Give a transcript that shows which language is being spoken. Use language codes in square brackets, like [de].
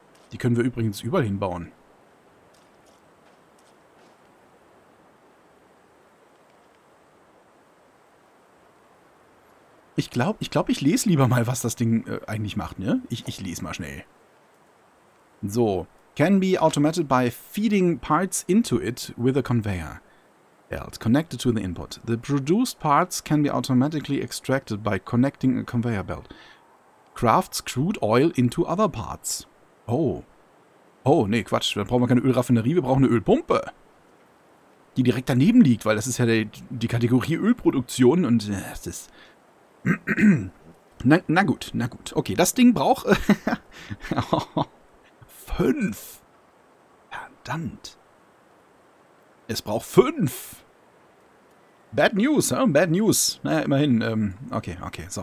[de] Die können wir übrigens überall hinbauen. Ich glaube, ich lese lieber mal, was das Ding eigentlich macht, ne? Ich lese mal schnell. So. [en] Can be automated by feeding parts into it with a conveyor belt connected to the input. The produced parts can be automatically extracted by connecting a conveyor belt. Crafts crude oil into other parts. [de] Oh. Oh, nee, Quatsch. Wir brauchen keine Ölraffinerie, wir brauchen eine Ölpumpe. Die direkt daneben liegt, weil das ist ja die Kategorie Ölproduktion und das ist... Na gut. Okay, das Ding braucht... 5. Verdammt. Es braucht 5. [en] Bad News, huh? Bad News. [de] Naja, immerhin. Okay, so.